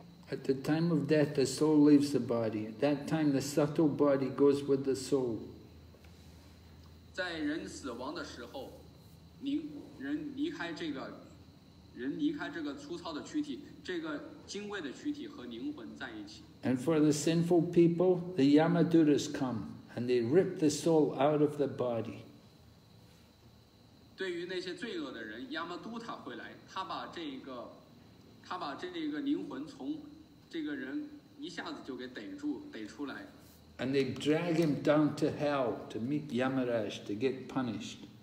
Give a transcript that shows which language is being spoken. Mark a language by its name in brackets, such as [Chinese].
[English] At the time of death, the soul leaves the body. At that time, the subtle body goes with the soul. [Chinese] 在人死亡的时候，人离开这个，人离开这个粗糙的躯体，这个精贵的躯体和灵魂在一起。 [English] And for the sinful people, the Yamadutas come and they rip the soul out of the body. [Chinese] 对于那些罪恶的人，亚玛都塔会来，他把这个灵魂从这个人一下子就给逮住，逮出来。 [English] And they drag him down to hell to meet Yamaraj to get punished.